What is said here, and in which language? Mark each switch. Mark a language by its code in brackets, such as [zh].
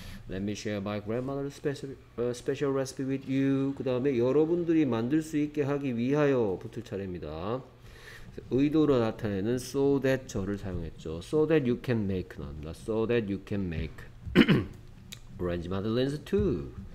[en] Let me share my grandma's special recipe with you. [ko] 그 다음에 여러분들이 만들 수 있게 하기 위하여 붙을 차례입니다. 의도를 나타내는 so that 저를 사용했죠. [en] So that you can make [ko] 나옵니다. [en] So that you can make orange madeleines too.